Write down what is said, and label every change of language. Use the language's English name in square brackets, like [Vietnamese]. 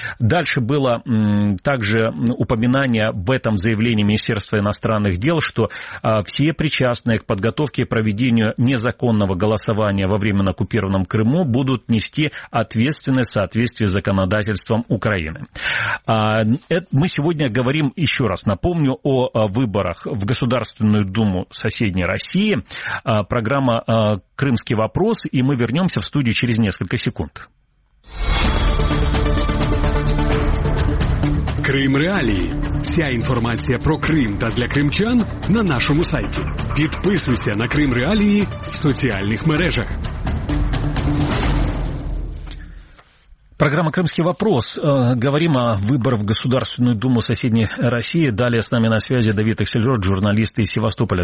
[Russian] Дальше было также упоминание в этом заявлении Министерства иностранных дел, что все причастные к подготовке и проведению незаконного голосования во временно оккупированном Крыму будут нести ответственность в соответствии с законодательством Украины. Мы сегодня говорим, еще раз напомню, о выборах в Государственную Думу соседней России. Программа «Крымский вопрос», и мы вернемся в студию через несколько секунд. [Ukrainian] Крым Реалії. Вся інформація про Крим та для кримчан на нашому сайті. Підписуйся на Крим Реалії в соціальних мережах. [Russian] Программа «Крымский вопрос». Говорим о выборах в Государственную Думу соседней России. Далее с нами на связи Давид Аксельрод, журналист из Севастополя.